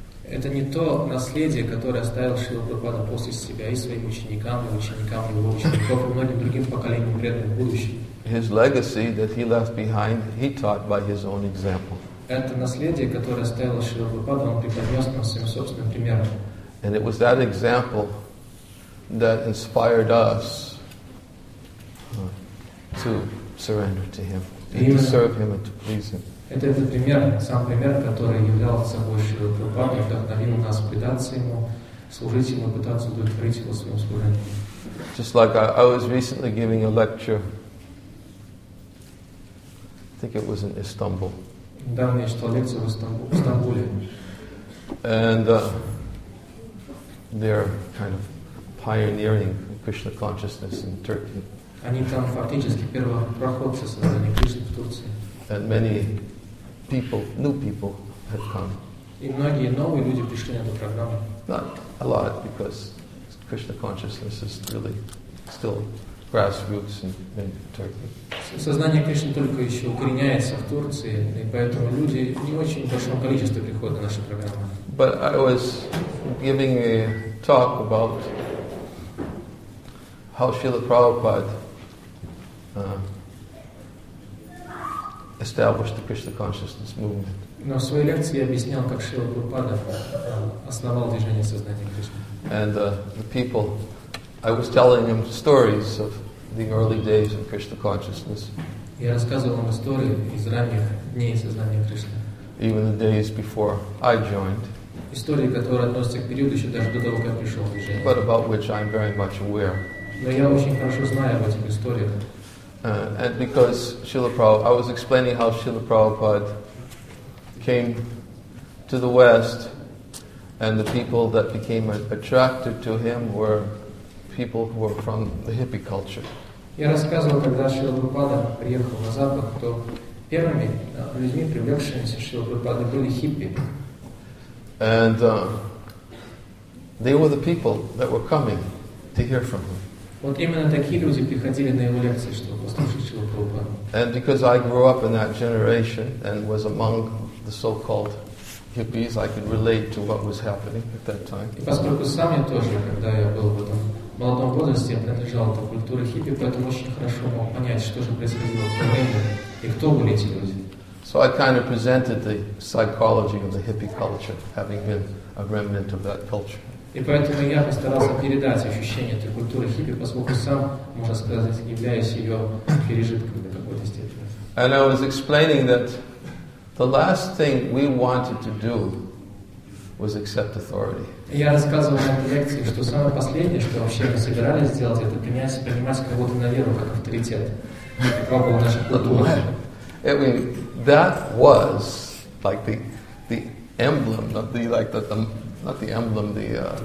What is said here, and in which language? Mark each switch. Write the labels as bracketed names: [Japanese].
[Russian] Это не то наследие, которое оставил Шрила Прабхупада после себя и своим ученикам, и ученикам его учеников, и многим другим поколениям преданных в будущем. [English] His legacy that he left behind, he taught by his own example. [Russian] Это наследие, которое оставил Шрила Прабхупада, он преподнес нам своим собственным примером. [English] And it was that example that inspired us to surrender to him, and to serve him and to please him. [Russian] Это этот пример, сам пример, который являлся больше Прабхупадой, вдохновил нас предаться ему, служить ему, пытаться удовлетворить его своим служением. [English] Just like I was recently giving a lecture, I think it was in Istanbul. [Russian] Недавно я читал лекцию в Стамбуле. [English] And they're kind of pioneering Krishna consciousness in Turkey. [Russian] Они там фактически первопроходцы сознания Кришны в Турции. [English] And many people, new people, had come. [Russian] И многие новые люди пришли на эту программу. [English] Not a lot, because Krishna consciousness is really still grassroots in Turkey. [Russian] Сознание, конечно, только еще укореняется в Турции, и поэтому люди не очень в большом количестве приходят на наши программы. [English] But I was giving a talk about how Srila Prabhupada established the Krishna consciousness movement. [Russian] Но в своей лекции я объяснял, как Шрила Прабхупада основал движение сознания Кришны. [English] And the people, I was telling them stories of the early days of Krishna consciousness. [Russian] Я рассказывал им истории из ранних дней сознания Кришны. [English] Even the days before I joined. [Russian] Истории, которые относятся к периоду еще даже до того, как пришел в движение. [English] But about which I'm very much aware. [Russian] Но я очень хорошо знаю об этих историях. [English] And because Srila Prabhupada, I was explaining how Srila Prabhupada came to the West, and the people that became attracted to him were people who were from the hippie culture. [Russian] Я рассказывал, когда Шрила Прабхупада приехал на Запад, то первыми людьми, привлекшимися Шрила Прабхупада, были хиппи. [English] And they were the people that were coming to hear from him. [Russian] Вот именно такие люди приходили на его лекции, чтобы послушать Шрила Прабхупада. [English] And because I grew up in that generation and was among the so-called hippies, I could relate to what was happening at that time. [Russian] И поскольку сам я тоже, когда я был в этом молодом возрасте, я принадлежал к культуре хиппи, поэтому очень хорошо мог понять, что же происходило в то время и кто были эти люди. [English] So I kind of presented the psychology of the hippie culture, having been a remnant of that culture. [Russian] И поэтому я постарался передать ощущение этой культуры хиппи, поскольку сам, можно сказать, являюсь ее пережитком для какой-то степени. [English] And I was explaining that the last thing we wanted to do was accept authority. [Russian] Я рассказывал на этой лекции, что самое последнее, что вообще мы собирались сделать, это принимать кого-то на веру как авторитет. [English] That was like the emblem, not the like the not the emblem, the